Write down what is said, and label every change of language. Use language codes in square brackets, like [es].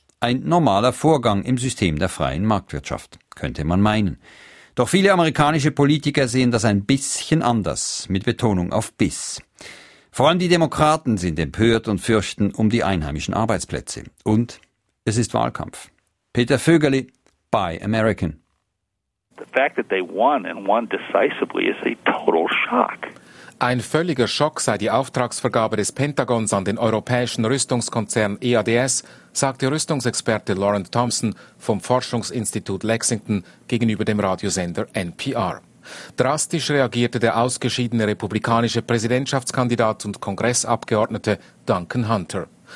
[de] Ein normaler Vorgang im System der freien Marktwirtschaft, könnte man meinen. Doch viele amerikanische Politiker sehen das ein bisschen anders, mit Betonung auf «biss». Vor allem die Demokraten sind empört und fürchten um die einheimischen Arbeitsplätze. Und es ist Wahlkampf. Peter Vögerli, [en] Buy American. The fact that they won and won decisively is a total shock. [de] Ein völliger Schock sei die Auftragsvergabe des Pentagons an den europäischen Rüstungskonzern EADS, sagte Rüstungsexperte Laurent Thompson vom Forschungsinstitut Lexington gegenüber dem Radiosender NPR. Drastisch reagierte der ausgeschiedene republikanische Präsidentschaftskandidat und Kongressabgeordnete Duncan Hunter.